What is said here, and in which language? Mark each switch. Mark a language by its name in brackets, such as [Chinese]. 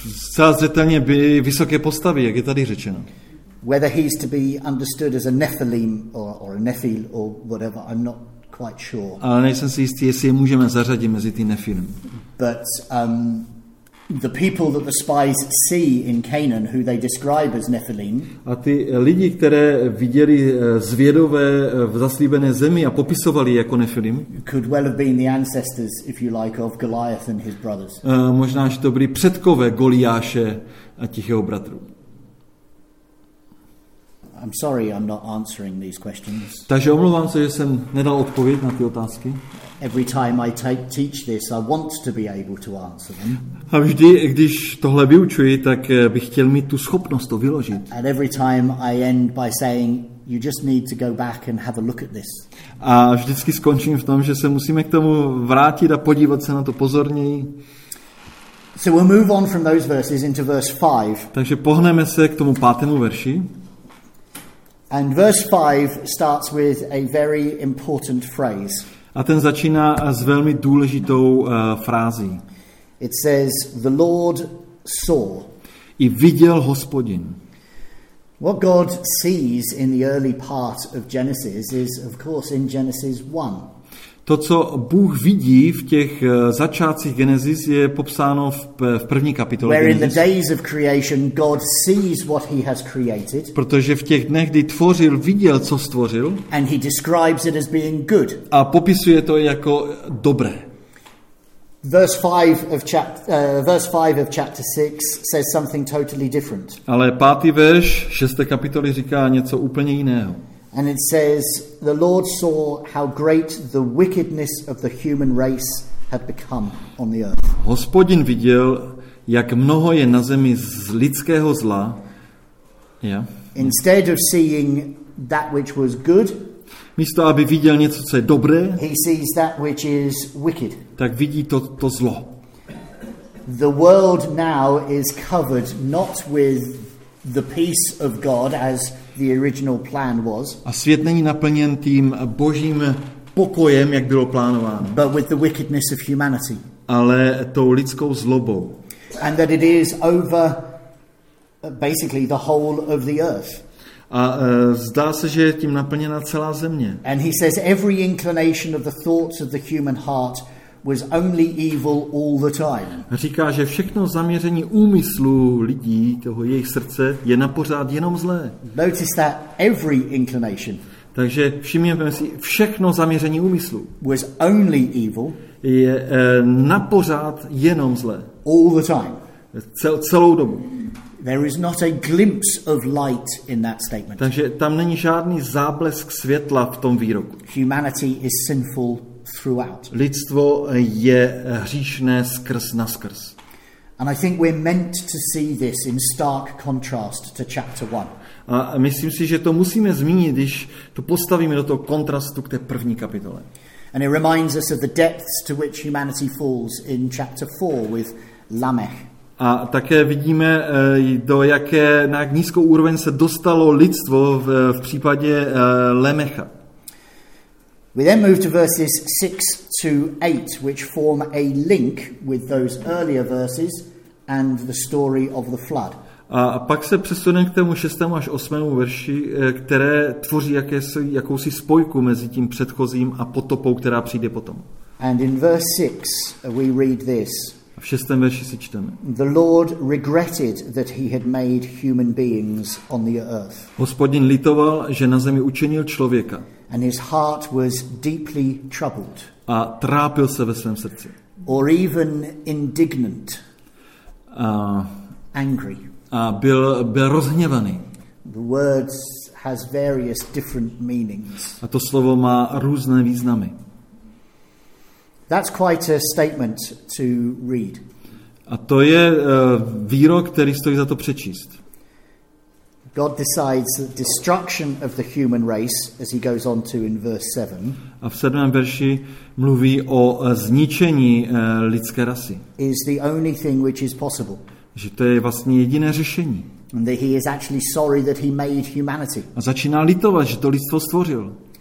[Czech] Zcela zřetelně by vysoké postavy, jak je tady řečeno. [English] Whether he's to be understood as a Nephilim or a Nephil or whatever, I'm not quite sure. [Czech] Ale nejsem si jistý, jestli je můžeme zařadit mezi ty Nephilim. [English] But the people that the spies see in Canaan, who they describe as Nephilim, [Czech] a ty lidi, které viděli zvědové v zaslíbené zemi a popisovali jako Nephilim, [English] could well have been the ancestors, if you like, of Goliath and his brothers. [Czech] Možná, že to byli předkové Goliáše a tichého bratru. [English] I'm sorry, I'm not answering these questions. [Czech] Takže omlouvám se, že jsem nedal odpověď na ty otázky. [English] Every time I teach this, I want to be able to answer them. [Czech] A vždy, když tohle vyučuji, tak bych chtěl mít tu schopnost to vyložit. [English] And every time I end by saying, you just need to go back and have a look at this. [Czech] A vždycky skončím v tom, že se musíme k tomu vrátit a podívat se na to pozorněji. [English] So we'll move on from those verses into verse 5. [Czech] Takže pohneme se k tomu pátému verši. [English] And verse 5 starts with a very important phrase. [Czech] A ten začíná s velmi důležitou frází. [English] It says, the Lord saw. [Czech] I viděl Hospodin. [English] What God sees in the early part of Genesis is, of course, in Genesis 1. [Czech] To, co Bůh vidí v těch začátcích Genesis, je popsáno v první kapitole [English] Genesis. Where in the days of creation God sees what he has created. [Czech] Protože v těch dnech, kdy tvořil, viděl, co stvořil. [English] And he describes it as being good. [Czech] A popisuje to jako dobré. [English] Verse 5 of chapter 6 says something totally different. [Czech] Ale pátý verš šesté kapitoly říká něco úplně jiného. [English] And it says the Lord saw how great the wickedness of the human race had become on the earth. [Czech] Hospodin viděl, jak mnoho je na zemi z lidského zla. Yeah. [English] Instead of seeing that which was good, [Czech] místo aby viděl něco, co je dobré, [English] he sees that which is wicked. [Czech] Tak vidí to zlo. [English] The world now is covered not with the peace of God as the original plan was. [Czech] A svět není naplněn tím božím pokojem, jak bylo plánováno. [English] But with the wickedness of humanity. [Czech] Ale tou lidskou zlobou. [English] And that it is over basically the whole of the earth. [Czech] A zdá se, že je tím naplněna celá země. [English] And he says every inclination of the thoughts of the human heart was only evil all the time. [Czech] Říká, že všechno zaměření úmyslu lidí, toho jejich srdce, je na pořád jenom zlé. [English] Notice that every inclination. [Czech] Takže všimněme si, všechno zaměření úmyslu [English] was only evil. [Czech] Je na pořád jenom zlé. [English] All the time. [Czech] Celou dobu. [English] There is not a glimpse of light in that statement. [Czech] Takže tam není žádný záblesk světla v tom výroku. [English] Humanity is sinful throughout. [Czech] Lidstvo je hříšné skrz naskrz. [English] And I think we're meant to see this in stark contrast to chapter 1. [Czech] A myslím si, že to musíme zmínit, když to postavíme do toho kontrastu k té první kapitole. [English] And it reminds us of the depths to which humanity falls in chapter 4 with Lamech. [Czech] A také vidíme, do jaké, na jak nízkou úroveň se dostalo lidstvo v případě Lemecha. [English] We then move to verses 6 to 8, which form a link with those earlier verses and the story of the flood. [Czech] A pak se přesuneme k tomu 6. až 8. verši, které tvoří jakousi spojku mezi tím předchozím a potopou, která přijde potom. [English] And in verse 6 we read this. [Czech] V 6. verši si čteme. [English] The Lord regretted that he had made human beings on the earth. [Czech] Hospodin litoval, že na zemi učinil člověka. [English] And his heart was deeply troubled. [Czech] A trápil se ve svém srdci. [English] Or even indignant. Angry. [Czech] A byl rozhněvaný. [English] The word has various different meanings. [Czech] A to slovo má různé významy. [English] That's quite a statement to read. [Czech] A to je výrok, který stojí za to přečíst. [English] God decides the destruction of the human race, as he goes on to in verse 7. [Czech] A v 7. verši mluví o zničení lidské rasy. [English] Is the only thing which is possible. [Czech] Že to je vlastně jediné řešení. [English] And that he is actually sorry that he made humanity. [Czech] A začíná litovat, že to lidstvo stvořil.